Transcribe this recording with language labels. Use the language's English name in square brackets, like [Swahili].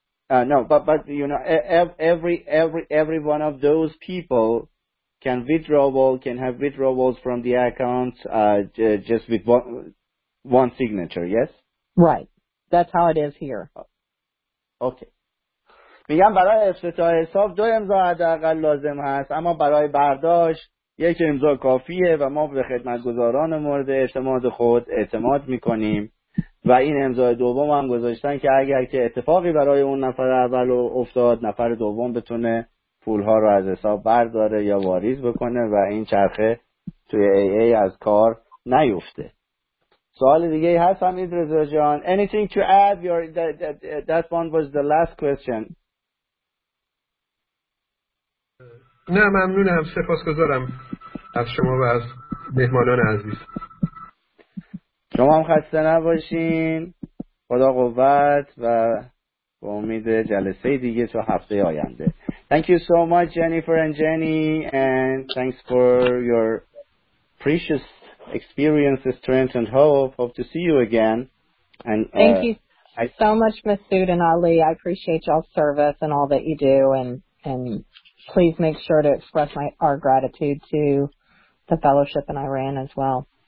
[English] No, but you know, every one of those people can withdrawal, can have withdrawals from the accounts just with one signature, yes? Right. That's how it is here. Okay. [Persian] میگم برای افتتاح حساب دو امضا حداقل لازم هست، اما برای برداشت یک امضا کافیه و ما به خدمتگزاران مورد اعتماد خود اعتماد میکنیم و این امضای دوم هم گذاشتن که اگر که اتفاقی برای اون نفر اول افتاد، نفر دوم بتونه پولها رو از حساب برداره یا واریز بکنه و این چرخه توی ای از کار نیفته. سوال دیگه ای هست هم ایدرزا جان؟ [English] Anything to add? That one was the last question. [Persian] نه ممنونم، سپاسگزارم از شما و از مهمانان عزیز. شما هم خسته نباشین، خدا قوت و با امید جلسه دیگه تو هفته آینده. [English] Thank you so much Jennifer and Jenny, and thanks for your precious experience, strength and hope. Hope to see you again. And thank you so much Masood and Ali. I appreciate y'all's service and all that you do, and please make sure to express our gratitude to the fellowship in Iran as well.